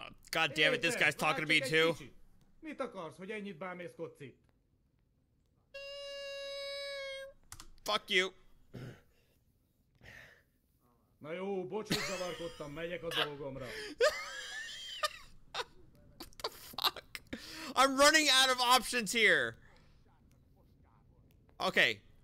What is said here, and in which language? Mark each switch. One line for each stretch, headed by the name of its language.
English: God damn it, this guy's talking to me too.
Hungarian: Mit akarsz, hogy ennyit bámészkodsz itt?
English: Fuck you.
Hungarian: Na jó, bocs, hogy zavarkodtam, megyek a dolgomra.
English: What the fuck? I'm running out of options here. Okay.